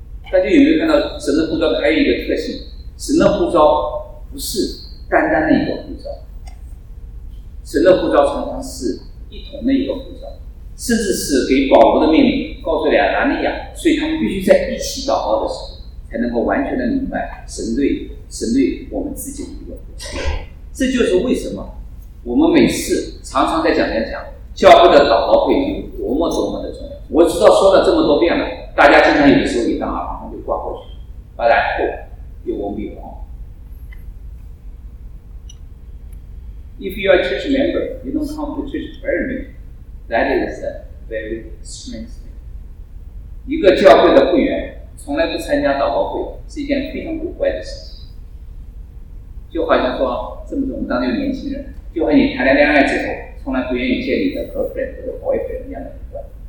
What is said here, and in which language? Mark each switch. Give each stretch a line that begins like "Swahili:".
Chinese: 大家有没有看到神的呼召还有一个特性？神的呼召不是单单的一个呼召，神的呼召常常是一同的一个呼召，甚至是给保罗的命令告诉了亚拿尼亚，所以他们必须在一起祷告的时候才能够完全的明白神对我们自己的一个呼召。这就是为什么我们每次常常在讲教会的祷告会有多么多么的重要。我知道说了这么多遍了，大家经常有的时候一当耳旁就挂过去，拜来后有我没有慌。
English: If you are a church member, you don't come to church very much. That is a very strange thing.
Chinese: 一个教会的会员从来不参加祷告会是一件非常古怪的事情。就好像说这么多我们当地的年轻人，就和你谈了恋爱之后从来不愿意见你的 girlfriend 或者 boyfriend 一样的古怪。